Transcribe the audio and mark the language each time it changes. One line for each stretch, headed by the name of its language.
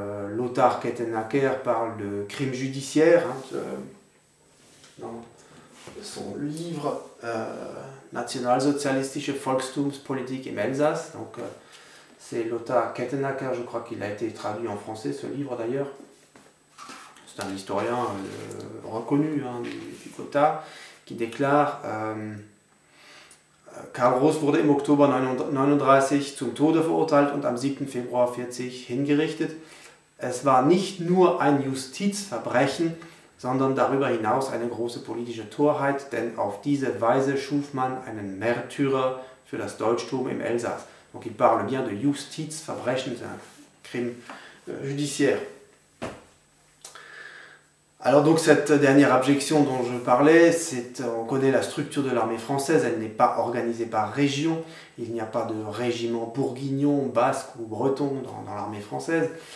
French: Lothar Kettenacker parle de crime judiciaire dans son livre
German: Nationalsozialistische Volkstumspolitik im Elsass.
French: Donc c'est Lothar Kettenacker, je crois qu'il a été traduit en français ce livre d'ailleurs. C'est un historien reconnu du quota qui déclare
German: Karl Ross wurde im Oktober 1939 zum Tode verurteilt und am 7. Februar 1940 hingerichtet. Es war nicht nur ein Justizverbrechen, sondern darüber hinaus eine große politische Torheit, denn auf diese Weise schuf man einen Märtyrer für das Deutschtum im Elsass.
French: Donc il parle bien de Justizverbrechen, c'est un crime judiciaire. Alors donc cette dernière objection dont je parlais, c'est on connaît la structure de l'armée française, elle n'est pas organisée par région, il n'y a pas de régiment bourguignon, basque ou breton dans l'armée française.